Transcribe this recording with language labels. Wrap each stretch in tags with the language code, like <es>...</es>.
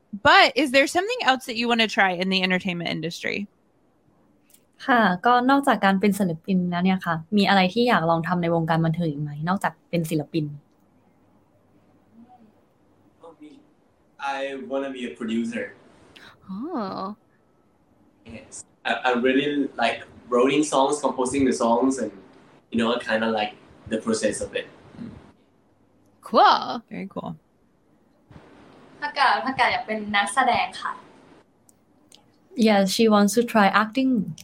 <en>But is there something else that you want to try in the entertainment industry?</en> <th>ค่ะก็นอกจากการเป็นศิลปินแล้วเนี่ยค่ะมีอะไรที่อยากลองทำในวงการบันเทิงอีกไหมนอกจากเป็นศิลปิน</th> <en>I want to be a producer. Oh. Yes, I really like writing songs, composing the songs, and you know, I kind of like the process of it. Cool, very cool.</en> <th>Pagka อยากเป็นนักแสดงค่ะ</th> <en>Yes, she wants to try acting.</en>